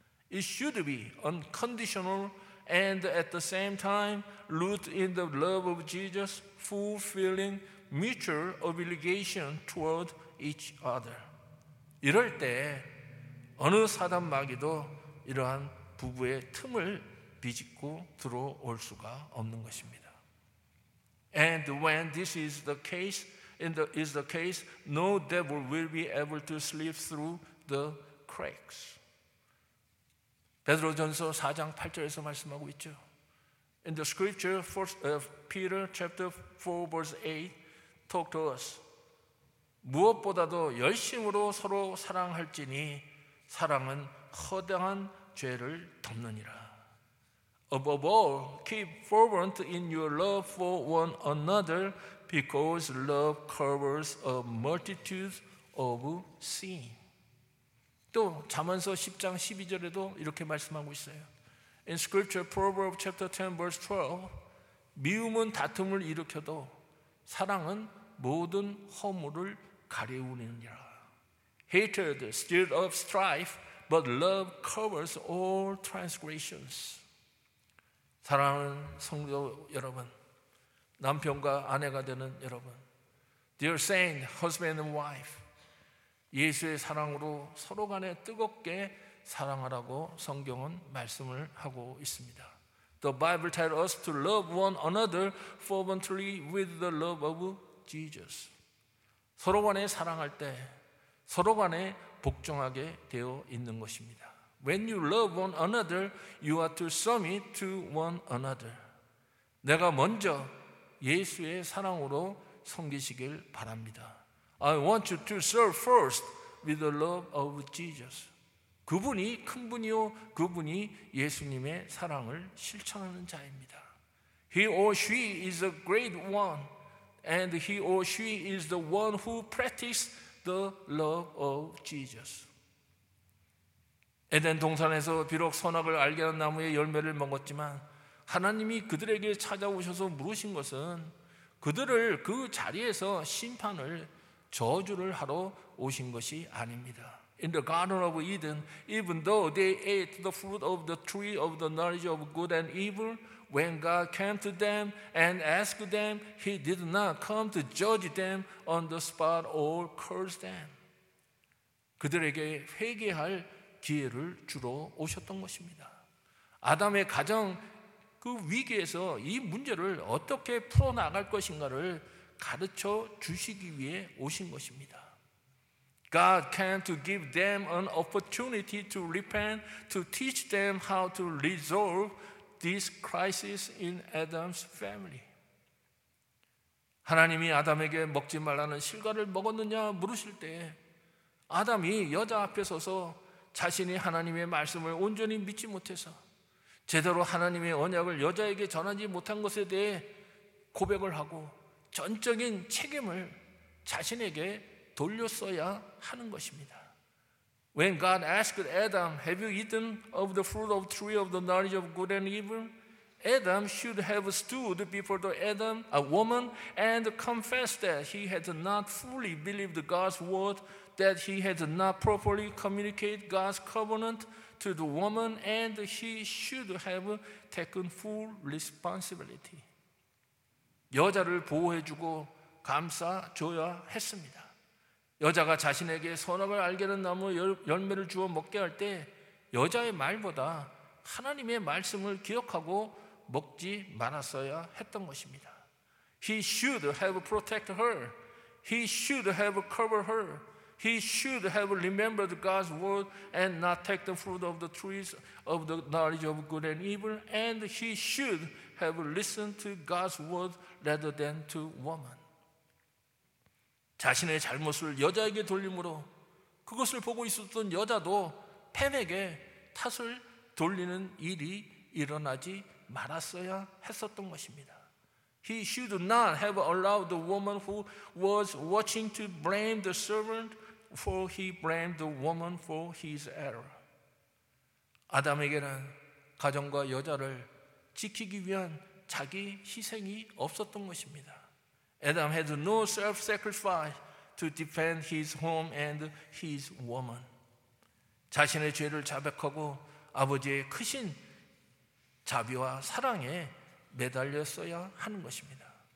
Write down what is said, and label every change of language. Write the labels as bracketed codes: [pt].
[en] It should be unconditional and at the same time rooted in the love of Jesus, fulfilling mutual obligation toward each other. [ko] 이럴 때 어느 사단 마귀도 이러한 부부의 틈을 비집고 들어올 수가 없는 것입니다. [en] And when this is the case, no devil will be able to slip through the cracks. [ko] 베드로전서 4장 8절에서 말씀하고 있죠. [en] In the scripture, Peter chapter 4 verse 8 talk to us. [ko] 무엇보다도 열심으로 서로 사랑할지니 사랑은 허다한 죄를 덮느니라. [en] Above all, keep fervent in your love for one another, because love covers a multitude of sin. [ko] 또 잠언서 10장 12절에도 이렇게 말씀하고 있어요. [en] In scripture, Proverbs chapter 10, verse 12, [ko] 미움은 다툼을 일으켜도 사랑은 모든 허물을 가리우느니라. [en] Hatred stirs up strife, but love covers all transgressions. [ko] 사랑하는 성도 여러분, 남편과 아내가 되는 여러분, [en] Dear Saint, husband and wife, [ko] 예수의 사랑으로 서로 간에 뜨겁게 사랑하라고 성경은 말씀을 하고 있습니다. [en] The Bible tells us to love one another fervently with the love of Jesus. [ko] 서로 간에 사랑할 때 서로 간에 복종하게 되어 있는 것입니다. [en] When you love one another, you are to submit to one another. [ko] 내가 먼저 예수의 사랑으로 섬기시길 바랍니다. [en] I want you to serve first with the love of Jesus. [ko] 그분이 큰 분이요, 그분이 예수님의 사랑을 실천하는 자입니다. [en] He or she is a great one, and he or she is the one who practices the love of Jesus. [ko] 에덴 동산에서 비록 선악을 알게 한 나무의 열매를 먹었지만 하나님이 그들에게 찾아오셔서 물으신 것은 그들을 그 자리에서 심판을 저주를 하러 오신 것이 아닙니다. [en] In the Garden of Eden, even though they ate the fruit of the tree of the knowledge of good and evil, when God came to them and asked them, He did not come to judge them on the spot or curse them. [ko] 그들에게 회개할 기회를 주러 오셨던 것입니다. 아담의 가정 그 위기에서 이 문제를 어떻게 풀어나갈 것인가를 가르쳐 주시기 위해 오신 것입니다. [en] God came to give them an opportunity to repent, to teach them how to resolve this crisis in Adam's family. [ko] 하나님이 아담에게 먹지 말라는 실과를 먹었느냐 물으실 때 아담이 여자 앞에 서서 자신이 하나님의 말씀을 온전히 믿지 못해서 제대로 하나님의 언약을 여자에게 전하지 못한 것에 대해 고백을 하고 전적인 책임을 자신에게 돌렸어야 하는 것입니다. [en] When God asked Adam, Have you eaten of the fruit of the tree of the knowledge of good and evil? Adam should have stood before the Adam, a woman, and confessed that he had not fully believed God's word, that he had not properly communicated God's covenant to the woman, and he should have taken full responsibility. [ko] 여자를 보호해주고 감싸줘야 했습니다. 여자가 자신에게 선악을 알게 하는 나무 열매를 주어 먹게 할 때 여자의 말보다 하나님의 말씀을 기억하고 먹지 말았어야 했던 것입니다. [en] He should have protected her. He should have covered her. He should have remembered God's word and not take the fruit of the trees of the knowledge of good and evil. And he should have listened to God's word rather than to woman. [ko] 자신의 잘못을 여자에게 돌림으로 그것을 보고 있었던 여자도 팸에게 탓을 돌리는 일이 일어나지 말았어야 했었던 것입니다. [en] He should not have allowed the woman who was watching to blame the servant, for he blamed the woman for his error. [ko] 아담에게는 가정과 여자를 지키기 위한 자기 희생이 없었던 것입니다. [en] Adam had no self-sacrifice to defend his home and his woman. [ko] 자신의 죄를 자백하고 아버지의 크신 자비와 사랑에 매달렸어야 하는 것입니다.